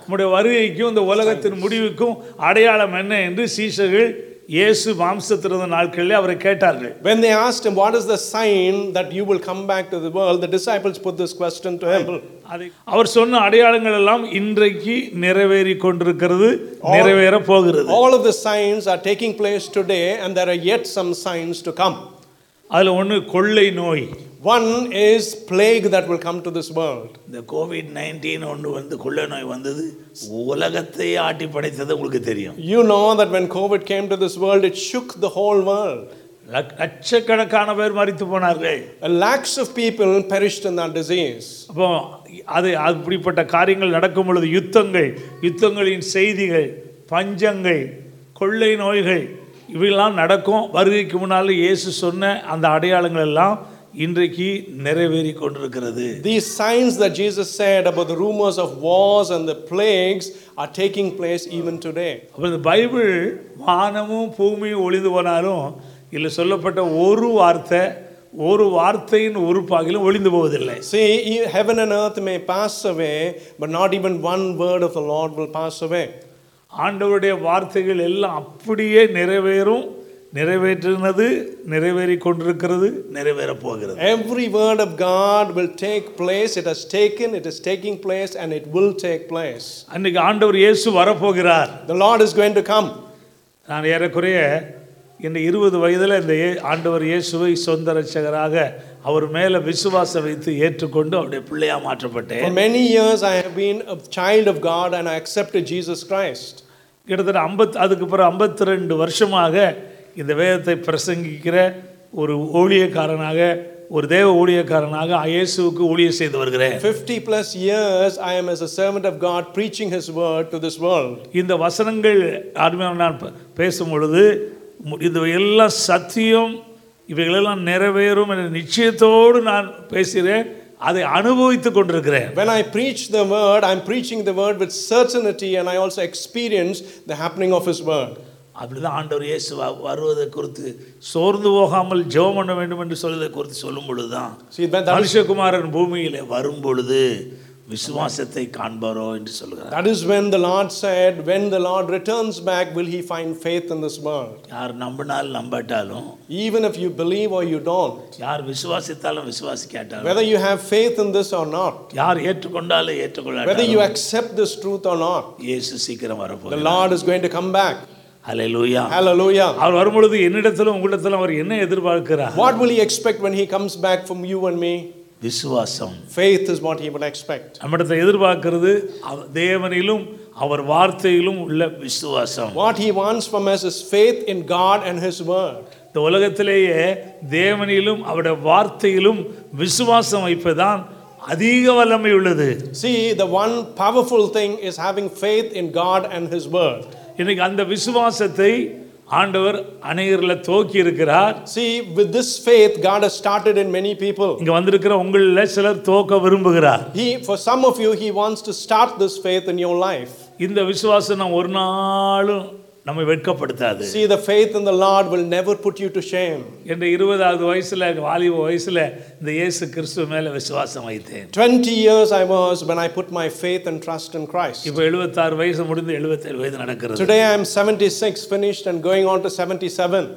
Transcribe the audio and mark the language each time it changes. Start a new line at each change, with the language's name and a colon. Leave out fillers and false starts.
Tamil: நம்முடைய வருகைக்கும் இந்த உலகத்தின் முடிவுக்கும் அடையாளம் என்ன என்று சீஷர்கள் இயேசு மாம்சத்திறந்த நாட்களிலே அவரை கேட்டார்கள்.
English: When they asked him, what is the sign that you will come back to the world, the disciples put this question to him.
Tamil: அவர் சொன்ன அடையாளங்கள் எல்லாம் இன்றைக்கு நிறைவேறி கொண்டிருக்கிறது, நிறைவேற போகிறது.
English: All of the signs are taking place today and there are yet some signs to come.
Tamil: அதுல ஒன்னு கொள்ளை நோய்.
English: One is plague that will come to this world.
Tamil: The COVID-19 ஒன்று வந்து கொள்ளை நோய் வந்தது உலகத்தை ஆட்டி படைத்தது உங்களுக்கு தெரியும்.
English: You know that when COVID came to this world, it shook the whole world.
Tamil: லட்சக்கணக்கான பேர் மரித்து போனார்கள்.
English: Lakhs of people perished in that disease.
Tamil: அப்போ அது அப்படிப்பட்ட காரியங்கள் நடக்கும் பொழுது யுத்தங்கள், யுத்தங்களின் செய்திகள், பஞ்சங்கள், கொள்ளை நோய்கள் இவையெல்லாம் நடக்கும். வருகைக்கு முன்னால் இயேசு சொன்ன அந்த அடையாளங்கள் எல்லாம் இன்றைக்கு நிறைவேறி கொண்டிருக்கிறது.
English: These signs that Jesus said about the rumors of wars and the plagues are taking place even today.
Tamil: அப்போ இந்த பைபிள் வானமும் பூமியும் ஒளிந்து போனாலும் இல்ல சொல்லப்பட்ட ஒரு வார்த்தை ஒரு வார்த்தையின் ஒரு பாகிலும் ஒளிந்து போவதில்லை.
English: See, heaven and earth may pass away, but not even one word of the Lord will pass away.
Tamil: ஆண்டவருடைய வார்த்தைகள் எல்லாம் அப்படியே நிறைவேறும். நிறைவேறினது, நிறைவேறி கொண்டிருக்கிறது, நிறைவேற போகிறது.
English: Every word of God will take place. It has taken, it is taking place, and it will take place.
Tamil: அன்றைக்கு ஆண்டவர் இயேசு வரப்போகிறார்.
English: The Lord is going to come.
Tamil: நான் ஏறக்குறைய என் 20 வயதுல இந்த ஆண்டவர் இயேசுவை சொந்த இரட்சகராக அவர் மேல விசுவாசம் வைத்து ஏற்றுக்கொண்டு அவருடைய பிள்ளையா மாற்றப்பட்டேன்.
English: For many years I have been a child of God and I accepted Jesus Christ.
Tamil: கிட்டத்தட்ட 50 அதுக்கு அப்புறம் 52 வருஷமாக இந்த வேதத்தை பிரசங்கிக்கிற ஒரு ஊழியக்காரனாக, ஒரு தேவ ஊழியக்காரனாக இயேசுவுக்கு ஊழியம் செய்து வருகிறேன்.
English: 50 plus years I am as a servant of God preaching his word to this world.
Tamil: இந்த வசனங்கள் ஆர்மியான நான் பேசும் பொழுது இதுவையெல்லாம் சத்தியம், இவைகளெல்லாம் நிறைவேறும் என்ற நிச்சயத்தோடு நான் பேசுகிறேன். அதை அனுபவித்துக் கொண்டிருக்கிறேன்.
English: When I preach the word, I'm preaching the word with certainty and I also experience the happening of his word.
Tamil: அப்படிதான் ஆண்டவர் இயேசு வருவதை குறித்து சோர்ந்து போகாமல் ஜெபம் பண்ண வேண்டும் என்று சொல்வதை குறித்து சொல்லும் பொழுதுதான் மனுஷகுமாரன் பூமியிலே வரும் பொழுது விசுவாசத்தை காண்பாரோ என்று சொல்கிறார்.
English: That is when the Lord said, when the Lord returns back, will he find faith in this world?
Tamil: யார் நம்பினால் நம்பட்டாலும்,
English: even if you believe or you don't,
Tamil: யார் விசுவாசித்தாலும் விசுவாசிக்காட்டாலும்,
English: whether you have faith in this or not,
Tamil: யார் ஏற்றுக்கொண்டாலும் ஏற்றுக்கொள்ளாட்டாலும்,
English: whether you accept this truth or not,
Tamil: இயேசு சீக்கிரம் வரப்போகிறார்.
English: The Lord is going to come back. Hallelujah. Hallelujah.
Tamil: அவர் வரும்பொழுது என்னிடத்திலும் உங்களிடத்திலும் அவர் என்ன எதிர்பார்க்கிறார்?
English: What will he expect when he comes back from you and me?
Tamil: விசுவாசம்.
English: Faith is what he will expect.
Tamil: நம்மிடத்தை எதிர்பார்க்கிறது தேவனிலும் அவர் வார்த்தையிலும் உள்ள விசுவாசம்.
English: What he wants from us is faith in God and his word.
Tamil: இந்த உலகத்திலேயே தேவனிலும் அவருடைய வார்த்தையிலும் விசுவாசம் வைப்பதுதான் அதிக வல்லமை உள்ளது.
English: See, the one powerful thing is having faith in God and his word.
Tamil: இன்னைக்கு அந்த விசுவாசத்தை ஆண்டவர் அநேகர்ல தோக்கி இருக்கிறார்.
English: See, with this faith, God has started in many people.
Tamil: இங்க வந்திருக்கிற உங்களில் சிலர் தோக்க விரும்புகிறார்.
English: He, for some of you, he wants to start this faith in your life.
Tamil: இந்த விசுவாசம் ஒரு நாளும் நம்மை வெட்கப்படுத்தாது.
English: See, the faith in the Lord will never put you to shame.
Tamil: என்ற 20வது வயசுல, வாலிப வயசுல இந்த இயேசு கிறிஸ்து மேல விசுவாசம் வைத்தேன்.
English: 20 years I was when I put my faith and trust in Christ.
Tamil: இப்ப 76 வயசு முடிந்து 77 வயது நடக்கிறது.
English: Today I am 76 finished and going on to 77.